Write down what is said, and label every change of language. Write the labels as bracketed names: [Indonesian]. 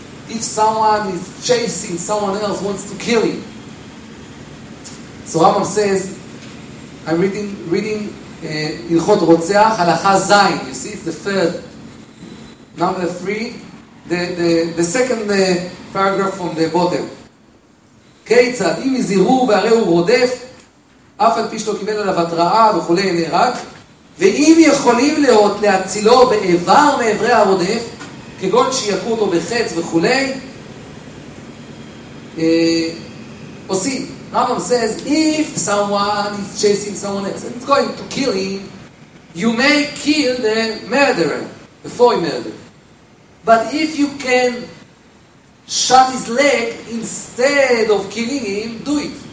[English] If someone is chasing someone else, wants to kill him. So Rambam says, I'm reading Ilchot Rotzeach, Halacha Zayin. You see, it's the third, number three, the second paragraph from the bottom. [Hebrew] כיצד, אם יזהרו והרי הוא רודף, אף על פי שלא קיבל עליו התראה וכולי נהרג, ואם יכולים להיות להצילו באיבר מעברי הרודף, כגון שיקו אותו בחץ וכולי, עושים. [English] Rambam says, if someone is chasing someone else, and it's going to kill him, you may kill the murderer, before he murdered. But if you can shut his leg instead of killing him, do it.